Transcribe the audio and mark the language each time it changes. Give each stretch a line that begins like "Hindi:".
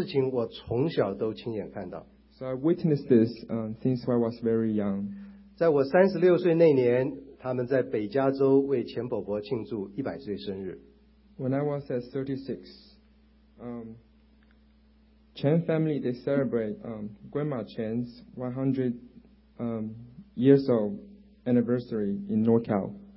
Chinese: 那这些事情我从小都亲眼看到。
English: So I witnessed this since I was very young.
Chinese: 在我36岁那年, 他们在北加州为钱婆婆庆祝100岁生日。
English: When I was at 36, Chen family, they celebrate Grandma Chen's 100 years old anniversary in NorCal.